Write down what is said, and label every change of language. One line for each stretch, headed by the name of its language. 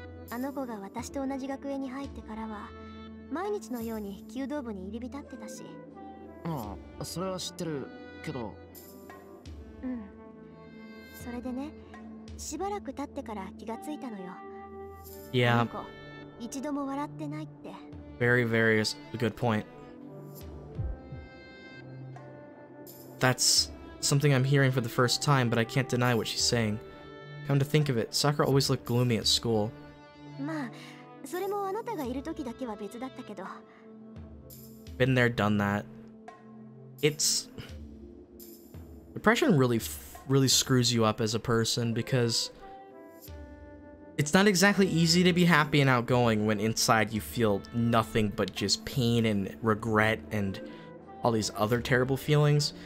Japanese: あの子が私と同じ学園に入ってからは、毎日のように弓道部に入り浸ってたし。ああ、それは知ってるけど。うん。それでね、しばらく経ってから気がついたのよ。いや、一度も笑ってないって。
English: Very, very good point. That's something I'm hearing for the first time, but I can't deny what she's saying. Come to think of it, Sakura always looked gloomy at school.
Japanese: まあ、それもあなたがいる時だけは別だったけど。
English: Been there, done that. It's…Depression really, really screws you up as a person because it's not exactly easy to be happy and outgoing when inside you feel nothing but just pain and regret and all these other terrible feelings.